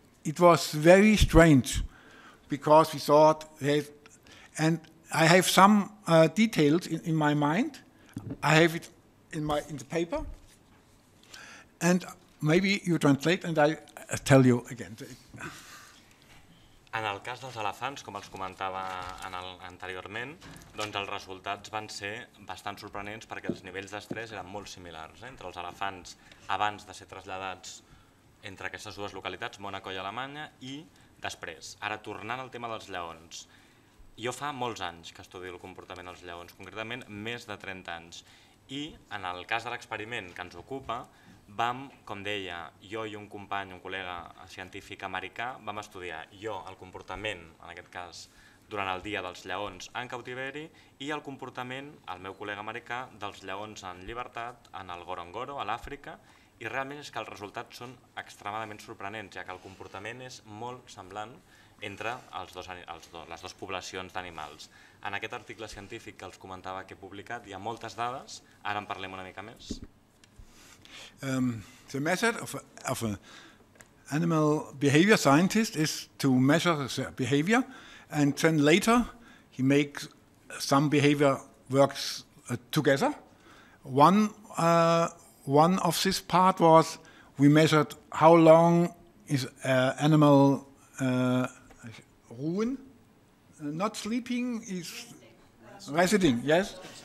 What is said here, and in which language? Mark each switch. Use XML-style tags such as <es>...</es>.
<en>It was very strange. Because we thought, and I have some details in my mind. I have it in the paper, and maybe you translate, and I tell you again.</en> <ca>En el cas dels elefants, com els comentava anteriorment, doncs els resultats van ser bastant sorprenents perquè els nivells d'estrès eren molt similars entre els elefants abans de ser traslladats entre aquestes dues localitats, Mònaco i Alemanya, i després, ara tornant al tema dels lleons, Jo fa molts anys que estudio el comportament dels lleons, concretament més de 30 anys. I en el cas de l'experiment que ens ocupa, vam, com deia, jo i un company, un col·lega científic americà, vam estudiar jo el comportament, en aquest cas, durant el dia dels lleons en cautiveri i el comportament, el meu col·lega americà, dels lleons en llibertat en el Gorongoro, a l'Àfrica, i realment és que els resultats són extremadament sorprenents, ja que el comportament és molt semblant entre les dues poblacions d'animals. En aquest article científic que els comentava que he publicat hi ha moltes dades, ara en parlem una mica més.</ca> <en>The method of an animal behavior scientist is to measure the behavior and then later he makes some behavior works together. One of this part was we measured how long is animal ruhen, not sleeping, is resting, yes?</en>